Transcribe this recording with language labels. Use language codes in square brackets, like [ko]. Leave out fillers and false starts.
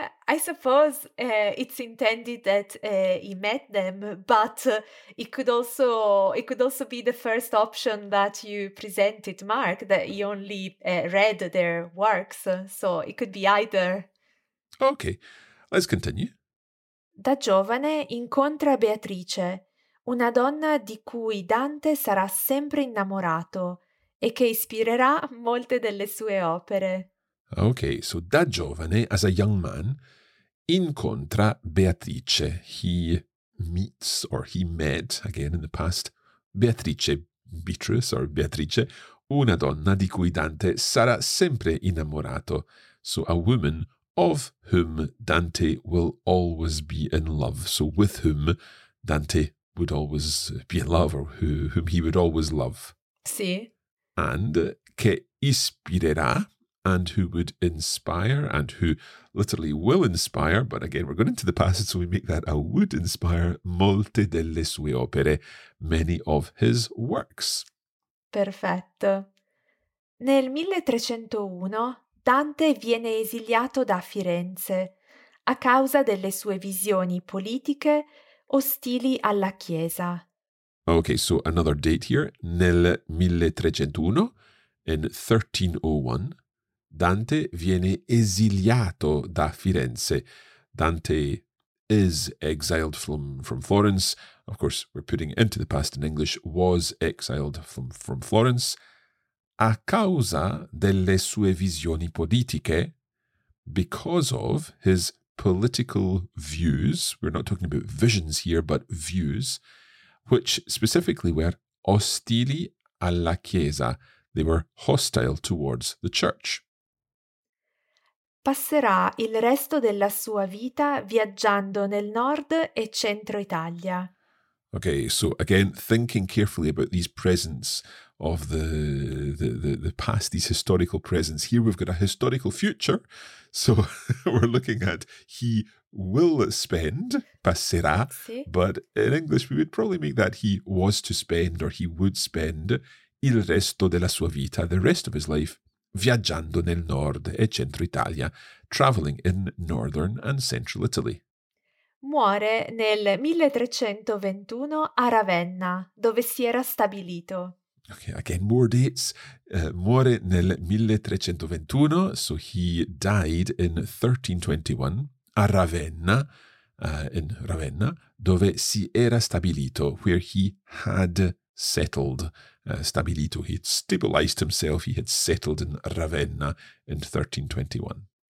[en] I suppose it's intended that he met them, but it could also be the first option that you presented, Mark, that he only read their works. So it could be either. Okay, let's continue. [it] Da giovane incontra Beatrice, una donna di cui Dante sarà sempre innamorato e che ispirerà molte delle sue opere. [en] Okay, so [it] da giovane, [en] as a young man, [it] incontra Beatrice. [en] He meets, or he met, again in the past, Beatrice, Beatrice, or Beatrice, [it] una donna di cui Dante sarà sempre innamorato. [en] So a woman of whom Dante will always be in love. So with whom Dante would always be in love, or whom he would always love. [it] Sì. [en] And [it] che ispirerà. [en] And who would inspire, and who literally will inspire, but again, we're going into the past, so we make that a would inspire, [it] molte delle sue opere, [en] many of his works. [it] Perfetto. Nel 1301, Dante viene esiliato da Firenze a causa delle sue visioni politiche ostili alla Chiesa. [en] Okay, so another date here. [it] Nel 1301, [en] in 1301, [it] Dante viene esiliato da Firenze. [en] Dante is exiled from Florence. Of course, we're putting it into the past in English, was exiled from Florence. [it] A causa delle sue visioni politiche, [en] because of his political views, we're not talking about visions here, but views, which specifically were [it] ostili alla Chiesa. [en] They were hostile towards the church. [it] Passerà il resto della sua vita viaggiando nel nord e centro Italia. [en] Okay, so again, thinking carefully about these presents of the past, these historical presents. Here we've got a historical future, so we're looking at he will spend, [it] passerà, sì. [en] But in English we would probably make that he was to spend or he would spend [it] il resto della sua vita, [en] the rest of his life, [it] viaggiando nel nord e centro Italia, [en] traveling in northern and central Italy. [it] Muore nel 1321 a Ravenna, dove si era stabilito. [en] Okay, again, more dates. [it] Muore nel 1321, [en] so he died in 1321, [it] a Ravenna, [en] in Ravenna, [it] dove si era stabilito, [en] where he had settled, [it] stabilito, [en] he had stabilized himself, he had settled in Ravenna in 1321.